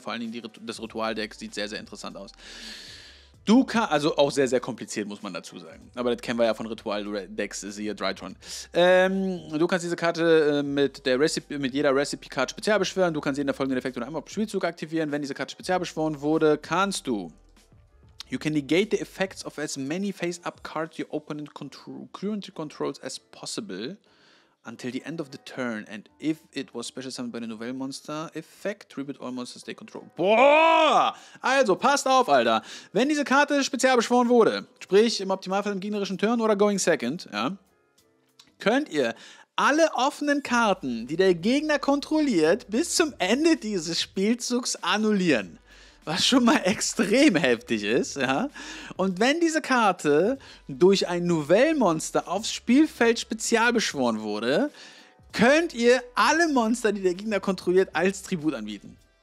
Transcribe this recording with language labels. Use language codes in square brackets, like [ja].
[de] Vor allen Dingen das Ritualdeck sieht sehr, sehr interessant aus. Du kannst, also auch sehr, sehr kompliziert, muss man dazu sagen. Aber das kennen wir ja von Ritual-Decks, siehe Drytron. Du kannst diese Karte mit jeder Recipe-Card speziell beschwören. Du kannst jeden der folgenden Effekte nur einmal auf Spielzug aktivieren. Wenn diese Karte speziell beschworen wurde, kannst du. [en] You can negate the effects of as many face-up cards your opponent currently controls as possible until the end of the turn. And if it was special summoned by the Nouvelle Monster effect, tribute all monsters they control. [de] Boah! Also, passt auf, Alter. Wenn diese Karte speziell beschworen wurde, sprich im Optimalfall im gegnerischen Turn oder going second, ja, könnt ihr alle offenen Karten, die der Gegner kontrolliert, bis zum Ende dieses Spielzugs annullieren. Was schon mal extrem heftig ist, ja. Und wenn diese Karte durch ein Nouvelle-Monster aufs Spielfeld spezial beschworen wurde, könnt ihr alle Monster, die der Gegner kontrolliert, als Tribut anbieten.